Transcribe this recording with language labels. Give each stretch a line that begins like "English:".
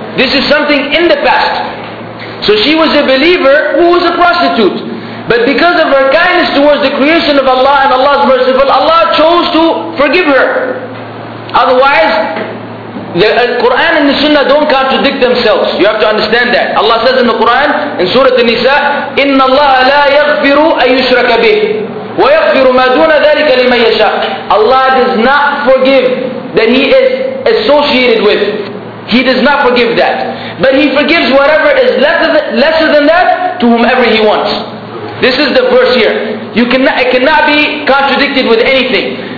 English: This is something in the past. So she was a believer who was a prostitute. But because of her kindness towards the creation of Allah and Allah's merciful, Allah chose to forgive her. Otherwise, the Quran and the Sunnah don't contradict themselves. You have to understand that. Allah says in the Quran, in Surah An-Nisa,
Arabic: إِنَّ اللَّهَ لَا يَغْفِرُ أَيُشْرَكَ بِهِ وَيَغْفِرُ مَا دُونَ ذَلِكَ لِمَنْ يَشَاءُ.
English: Allah does not forgive that he is associated with. He does not forgive that. But he forgives whatever is lesser than that to whomever he wants. This is the verse here. It cannot be contradicted with anything.